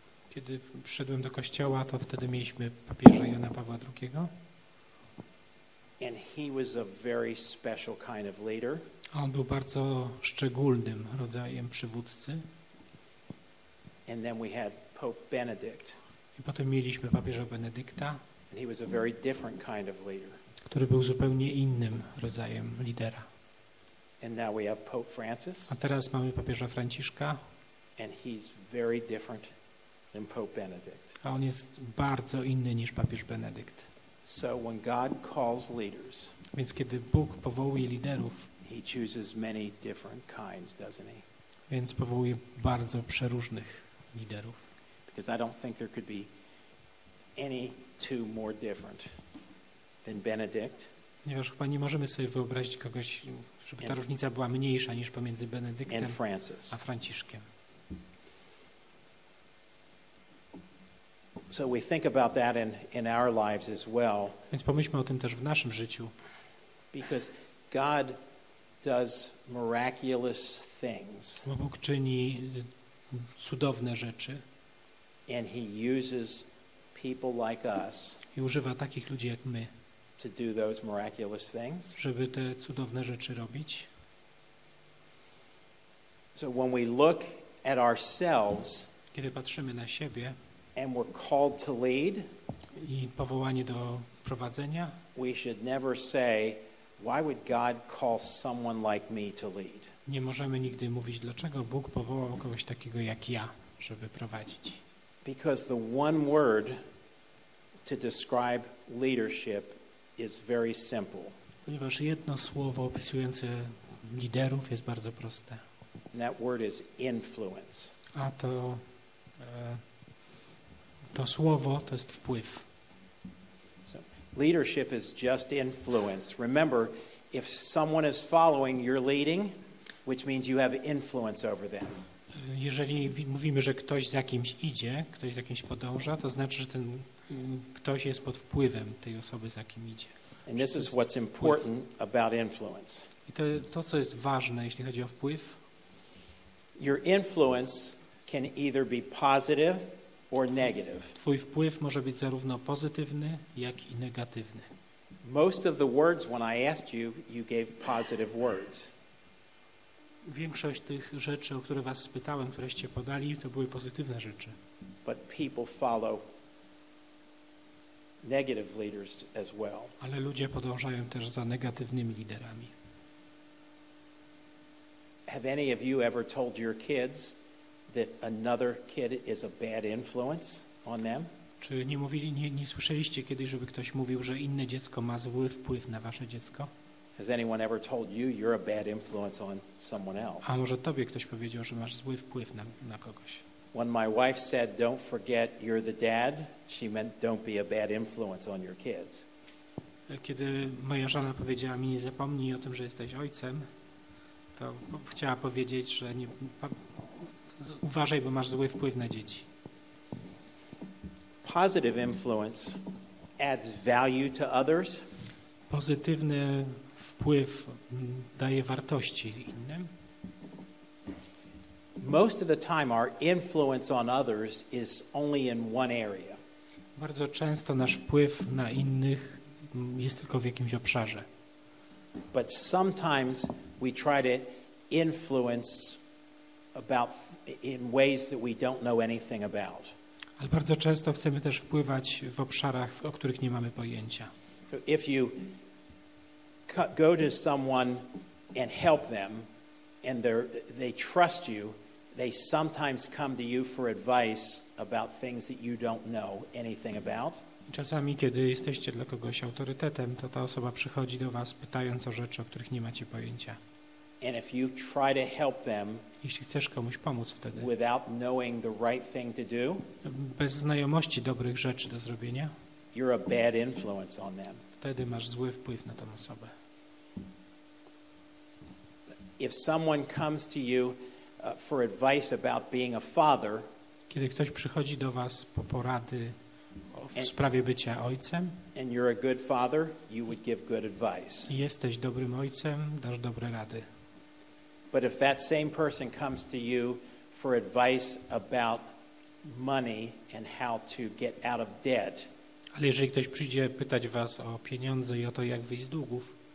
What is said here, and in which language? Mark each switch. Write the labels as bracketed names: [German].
[Polish] Kiedy przyszedłem do kościoła, to wtedy mieliśmy papieża Jana Pawła II. [English] And he was a very special kind of leader. [Polish] On był bardzo szczególnym rodzajem przywódcy. [English] And then we had Pope Benedict. [Polish] I potem mieliśmy papieża Benedykta. [English] And he was a very different kind of leader. [Polish] Który był zupełnie innym rodzajem lidera. [English] And now we have Pope Francis. [Polish] A teraz mamy papieża Franciszka. [English] And he's very different than Pope Benedict. [Polish] A on jest bardzo inny niż papież Benedykt. [English] So when God calls leaders, [Polish] więc kiedy Bóg powołuje liderów, [English] he chooses many different kinds, doesn't he? [Polish] Więc powołuje bardzo przeróżnych liderów. [English] Because I don't think there could be any two more different than Benedict. [Polish] Ponieważ chyba nie możemy sobie wyobrazić kogoś, żeby ta różnica była mniejsza niż pomiędzy Benedyktem a Franciszkiem. [English] So we think about that in our lives as well. [Polish] Więc pomyślmy o tym też w naszym życiu. [English] Because God does miraculous things. [Polish] Bo Bóg czyni cudowne rzeczy. [English] And he uses people like us. [Polish] I używa takich ludzi jak my. [English] To do those miraculous things. [Polish] Żeby te cudowne rzeczy robić. [English] So when we look at ourselves, [Polish] kiedy patrzymy na siebie, [English] and we're called to lead, [Polish] i powołani do prowadzenia, [English] we should never say, why would God call someone like me to lead? [Polish] Nie możemy nigdy mówić, dlaczego Bóg powołał kogoś takiego jak ja, żeby prowadzić. [English] Because the one word to describe leadership is very simple. [Polish] Ponieważ jedno słowo opisujące liderów jest bardzo proste. [English] And that word is influence. [Polish] A to to słowo to jest wpływ. [English] So, leadership is just influence. Remember, if someone is following, you're leading, which means you have influence over them. [Polish] Jeżeli mówimy, że ktoś za kimś idzie, ktoś za kimś podąża, to znaczy, że ten ktoś jest pod wpływem tej osoby, za kim idzie. [English] And this is what's important about influence. [Polish] I to, to co jest ważne, jeśli chodzi o wpływ. [English] Your influence can either be positive or negative. [Polish] Twój wpływ może być zarówno pozytywny, jak i negatywny. [English] Most of the words when I asked you, you gave positive words. [Polish] Większość tych rzeczy, o które was spytałem, któreście podali, to były pozytywne rzeczy. [English] But people follow negative leaders as well. [Polish] Ale ludzie podążają też za negatywnymi liderami. [English] Have any of you ever told your kids that another kid is a bad influence on them? [Polish] Czy nie mówili, nie słyszeliście kiedyś, żeby ktoś mówił, że inne dziecko ma zły wpływ na wasze dziecko? [English] Has anyone ever told you you're a bad influence on someone else? [Polish] A może tobie ktoś powiedział, że masz zły wpływ na kogoś? [English] When my wife said, "Don't forget you're the dad," she meant don't be a bad influence on your kids. [Polish] Kiedy moja żona powiedziała mi, nie zapomnij o tym, że jesteś ojcem, to chciała powiedzieć, że nie, uważaj, bo masz zły wpływ na dzieci. [English] Positive influence adds value to others. [Polish] Pozytywny wpływ daje wartości innym. [English] Most of the time our influence on others is only in one area. [Polish] Bardzo często nasz wpływ na innych jest tylko w jakimś obszarze. [English] But sometimes we try to influence about in ways that we don't know anything about. [Polish] Ale bardzo często chcemy też wpływać w obszarach, o których nie mamy pojęcia. [English] So if you go to someone and help them and they trust you, they sometimes come to you for advice about things that you don't know anything about. [Polish] Czasami, kiedy jesteście dla kogoś autorytetem, to ta osoba przychodzi do was pytając o rzeczy, o których nie macie pojęcia. [English] And if you try to help them, [Polish] jeśli chcesz komuś pomóc wtedy, [English] without knowing the right thing to do, [Polish] bez znajomości dobrych rzeczy do zrobienia, [English] you're a bad influence on them. [Polish] Wtedy masz zły wpływ na tą osobę. [English] If someone comes to you for advice about being a father, [Polish] kiedy ktoś przychodzi do was po porady w sprawie bycia ojcem, [English] and you're a good father, you would give good advice. [Polish] Jesteś dobrym ojcem, dasz dobre rady. [English] But if that same person comes to you for advice about money and how to get out of debt, [Polish] ale jeżeli ktoś przyjdzie pytać was o pieniądze i o to, jak wyjść z długów,